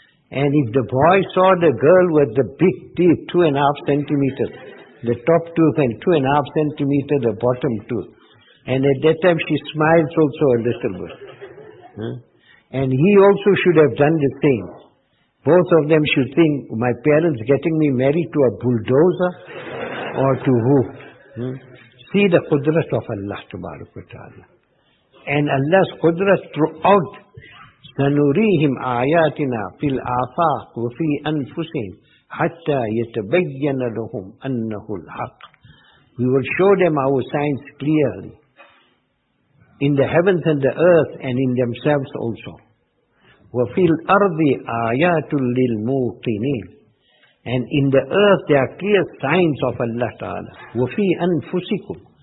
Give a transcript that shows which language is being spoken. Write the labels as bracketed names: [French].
[English] And if the boy saw the girl with the big teeth, 2.5 centimeters, the top tooth, and 2.5 centimeters, the bottom tooth, and at that time she smiles also a little bit. And he also should have done the same. Both of them should think, my parents getting me married to a bulldozer or to who? See the qudrat of Allah, tabarak wa ta'ala. And Allah's qudrat throughout, [Arabic] سَنُرِيهِمْ آيَاتِنَا فِي الْآفَاقِ وَفِي أَنفُسِهِمْ حَتَّى يَتَبَيَّنَ لَهُمْ أَنَّهُ الْحَقِّ. [English] We will show them our signs clearly in the heavens and the earth and in themselves also. [Arabic] وَفِي الْأَرْضِ آيَاتٌ لِلْمُوقِنِينَ. [English] And in the earth there are clear signs of Allah Ta'ala. [Arabic] وَفِي أَنفُسِكُمْ.